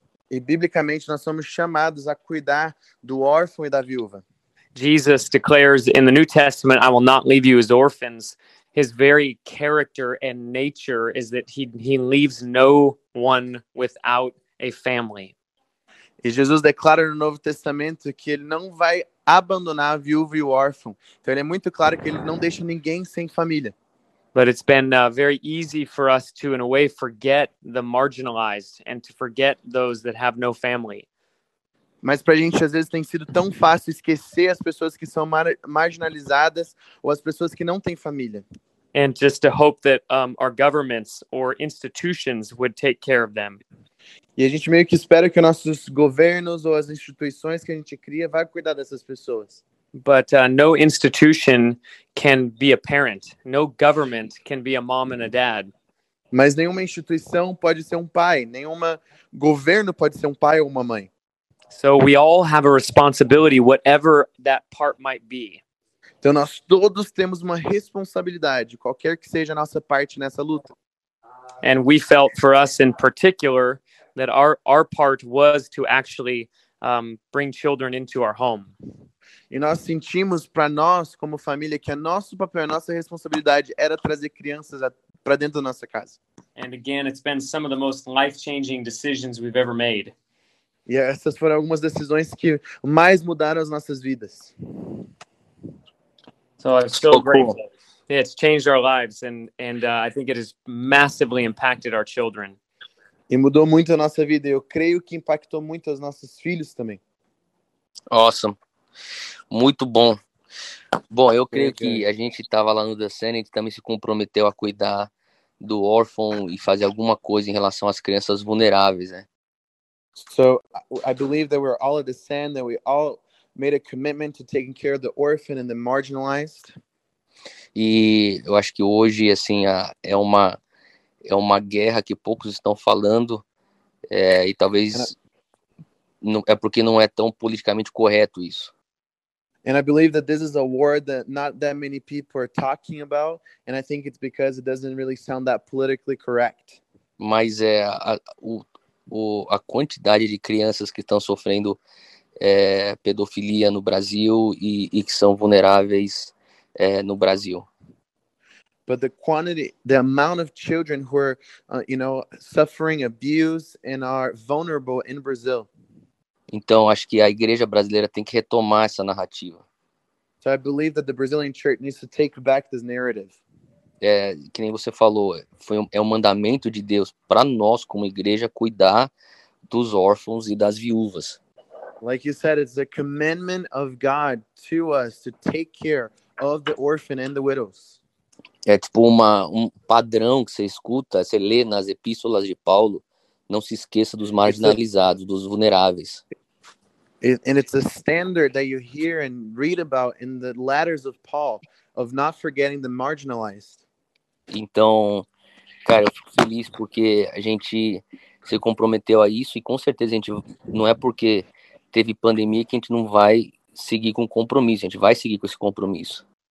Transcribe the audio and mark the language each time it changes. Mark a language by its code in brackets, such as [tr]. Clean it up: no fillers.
[pt] E biblicamente nós somos chamados a cuidar do órfão e da viúva. [en] Jesus declares in the New Testament, I will not leave you as orphans. His very character and nature is that he leaves no one without a family. [pt] E Jesus declara no Novo Testamento que ele não vai abandonar a viúva e o órfão. Então ele é muito claro que ele não deixa ninguém sem família. [en] But it's been very easy for us to, in a way, forget the marginalized and to forget those that have no family. [pt] Mas para a gente, às vezes, tem sido tão fácil esquecer as pessoas que são marginalizadas ou as pessoas que não têm família. [en] And just to hope that our governments or institutions would take care of them. [pt] E a gente meio que espera que nossos governos ou as instituições que a gente cria vai cuidar dessas pessoas. [en] But no institution can be a parent. No government can be a mom and a dad. [pt] Mas nenhuma instituição pode ser um pai. Nenhuma governo pode ser um pai ou uma mãe. [en] So we all have a responsibility, whatever that part might be. [pt] Então nós todos temos uma responsabilidade, qualquer que seja a nossa parte nessa luta. [en] And we felt for us in particular that our part was to actually bring children into our home. [pt] E nós sentimos para nós como família que nosso papel, nossa responsabilidade era trazer crianças para dentro da nossa casa. [en] And again, it's been some of the most life-changing decisions we've ever made. [pt] E essas foram algumas decisões que mais mudaram as nossas vidas. [en] So it's still so great. Cool. Yeah, it's changed our lives and I think it has massively impacted our children. [pt] E mudou muito a nossa vida. Eu creio que impactou muito os nossos filhos também. Awesome. Muito bom. Bom, eu creio que a gente estava lá no The Senate, a gente também se comprometeu a cuidar do órfão e fazer alguma coisa em relação às crianças vulneráveis, né? [en] So, I believe that we're all at the sand, that we all made a commitment to taking care of the orphan and the marginalized. [pt] E eu acho que hoje, assim, é uma guerra que poucos estão falando, e talvez é porque não é tão politicamente correto isso. [en] And I believe that this is a war that not that many people are talking about, and I think it's because it doesn't really sound that politically correct. [pt] Mas a quantidade de crianças que estão sofrendo pedofilia no Brasil e que são vulneráveis no Brasil. [en] But the quantity, the amount of children who are, you know, suffering abuse and are vulnerable in Brazil. [pt] Então, acho que a igreja brasileira tem que retomar essa narrativa. [en] So I believe that the Brazilian church needs to take back this narrative. [pt] Que nem você falou, é um mandamento de Deus para nós como igreja cuidar dos órfãos e das viúvas. [en] Like you said, it's a commandment of God to us to take care of the orphan and the widows. [pt] É tipo um padrão que você escuta, você lê nas epístolas de Paulo, não se esqueça dos marginalizados, dos vulneráveis. [en] And it's a standard that you hear and read about in the letters of Paul of not forgetting the marginalized. [pt] Então, cara, eu fico feliz porque a gente se comprometeu a isso e com certeza a gente não é porque teve pandemia que a gente não vai seguir com compromisso, a gente vai seguir com esse compromisso.